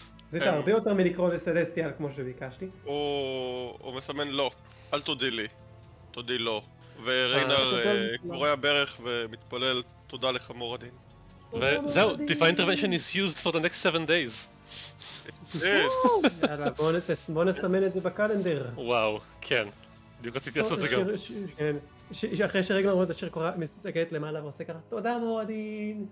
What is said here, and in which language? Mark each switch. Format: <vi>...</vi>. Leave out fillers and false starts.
<he>זה היה הרבה יותר מלקרוא לסלסטיאל כמו שביקשתי. הוא מסמן לא. אל תודי לי. תודי לא. וריינר קורע ברך ומתפלל תודה לך מורדין.</he> <en>וזהו, Divine Intervention is used for the next 7 days.</en> <he>יאללה, בואו נסמן את זה בקלנדר. וואו, כן. בדיוק רציתי לעשות את זה גם. אחרי שריינר רואה את השיר קורא, מסתכלת למעלה ועושה ככה, תודה מורדין!</he>